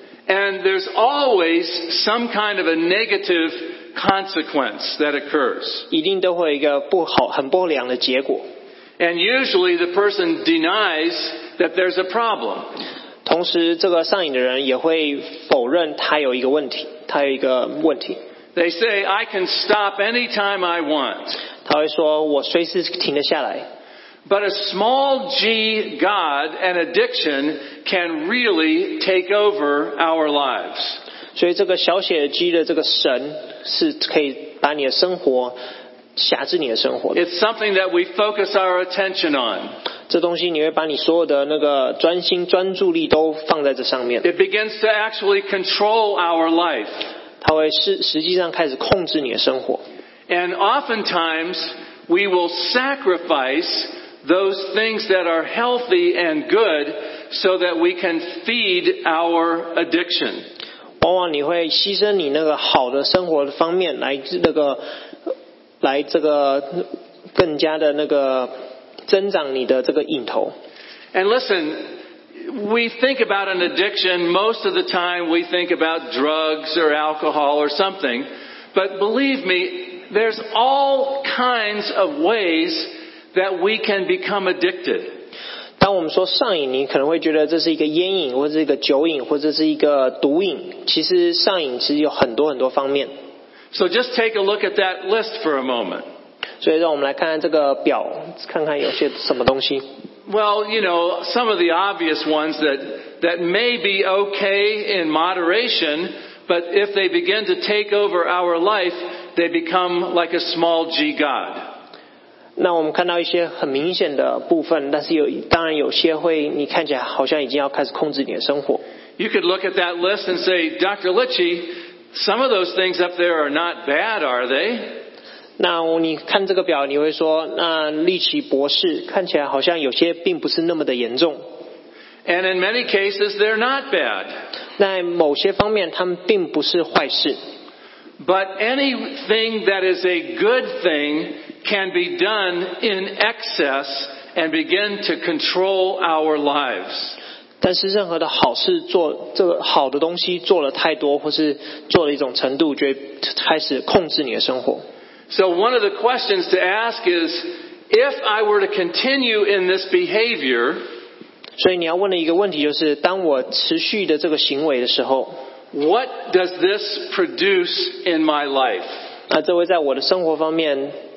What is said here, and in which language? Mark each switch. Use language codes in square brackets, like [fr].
[en] And there's always some kind of a negative consequence that occurs. [zh] 一定都会有一个不好、很不良的结果。 [en] And usually the person denies that there's a problem. [zh] 同时，这个上瘾的人也会否认他有一个问题，他有一个问题。 [en] They say, "I can stop anytime I want." [zh] 他会说，我随时停得下来。 [en] But a small g God and addiction can really take over our lives. [zh] 所以这个小写 g 的这个神是可以把你的生活辖制你的生活的。 [en] It's something that we focus our attention on. [zh] 这东西你会把你所有的那个专心专注力都放在这上面。 [en] It begins to actually control our life. [zh] 它会实际上开始控制你的生活。 [en] And oftentimes we will sacrifice. Those things that are healthy and good, so that we can feed our addiction. [zh] 往往你会牺牲你那个好的生活的方面来那个，来这个更加的那个增长你的这个瘾头。 [en] And listen, we think about an addiction most of the time. We think about drugs or alcohol or something. But believe me, there's all kinds of ways. That we can become addicted. [zh] 当我们说上瘾，你可能会觉得这是一个烟瘾，或者是一个酒瘾，或者是一个毒瘾。其实上瘾其实有很多很多方面。 [en] So just take a look at that list for a moment. [zh] 所以让我们来看看这个表，看看有些什么东西。 [en] Well, you know, some of the obvious ones that may be okay in moderation, but if they begin to take over our life, they become like a small g god. [zh] 那我们看到一些很明显的部分，但是当然有些会，你看起来好像已经要开始控制你的生活。 [en] You could look at that list and say, Dr. Litchi, some of those things up there are not bad, are they? [zh] 那你看这个表，你会说，那利奇博士看起来好像有些并不是那么的严重。 [en] And in many cases, they're not bad. [zh] 在某些方面，他们并不是坏事。 [en] But anything that is a good thing. Can be done in excess and begin to control our lives. [zh] 但是任何的好事做这个好的东西做了太多，或是做了一种程度，就会开始控制你的生活。 [en] So one of the questions to ask is, if I were to continue in this behavior, [zh] 所以你要问的一个问题就是，当我持续的这个行为的时候 [en] ，What does this produce in my life? [zh] 那这会在我的生活方面。